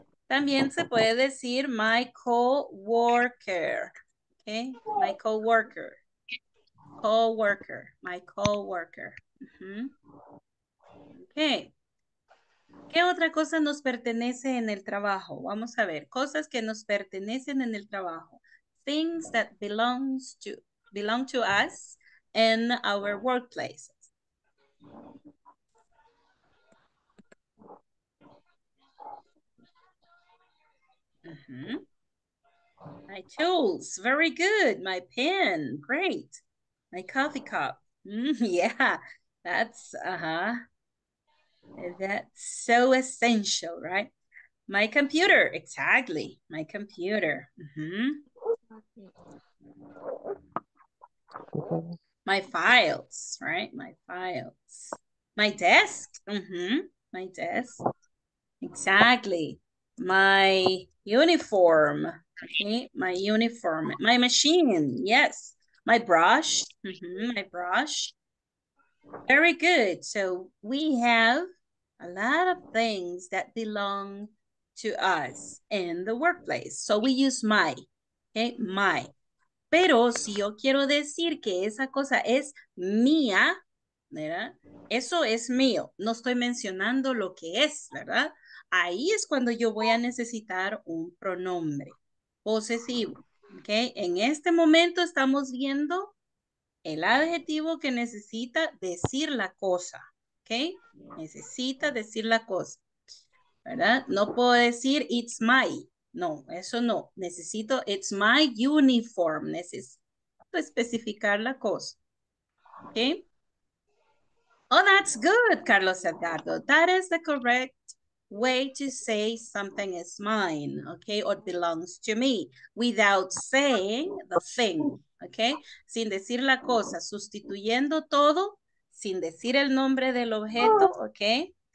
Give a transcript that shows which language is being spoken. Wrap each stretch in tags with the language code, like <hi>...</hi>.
<es>También se puede decir</es> <en>my co-worker. Okay, my co-worker. Co-worker, my co-worker. Okay.</en> <es>¿Qué otra cosa nos pertenece en el trabajo? Vamos a ver, cosas que nos pertenecen en el trabajo.</es> <en>Things that belong to us in our workplaces. My tools, very good. My pen, great. My coffee cup. Yeah, that's, that's so essential, right? My computer, exactly. My computer. My files, right? My files. My desk. My desk. Exactly. My uniform. Okay. My uniform. My machine. Yes. My brush. My brush. Very good. So we have a lot of things that belong to us in the workplace. So we use my. Okay. My.</en> <es>Pero si yo quiero decir que esa cosa es mía, ¿verdad? Eso es mío. No estoy mencionando lo que es, ¿verdad? Ahí es cuando yo voy a necesitar un pronombre posesivo, ¿ok? En este momento estamos viendo el adjetivo que necesita decir la cosa, ¿ok? Necesita decir la cosa, ¿verdad? No puedo decir</es> <en>it's my.</en> <es>No, eso no. Necesito,</es> <en>it's my uniform.</en> <es>Necesito especificar la cosa. Okay.</es> <en>Oh, that's good, Carlos Edgardo. That is the correct way to say something is mine, okay, or belongs to me, without saying the thing, okay?</en> <es>Sin decir la cosa, sustituyendo todo, sin decir el nombre del objeto, okay?</es>